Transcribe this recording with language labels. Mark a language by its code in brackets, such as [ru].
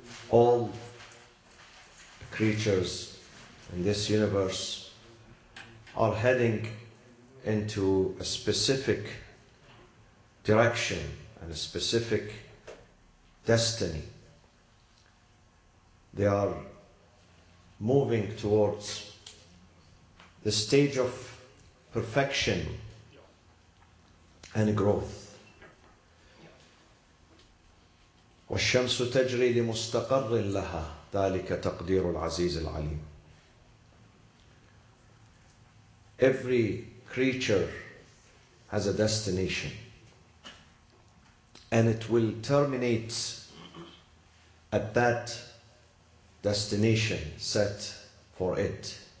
[en] All creatures in this universe are heading into a specific direction and a specific destiny. They are moving towards the stage of perfection and growth. [ar] والشمس تجري لمستقر لها ذلك تقدير العزيز العليم. [en] Every creature has a destination and it will terminate at that destination set for it.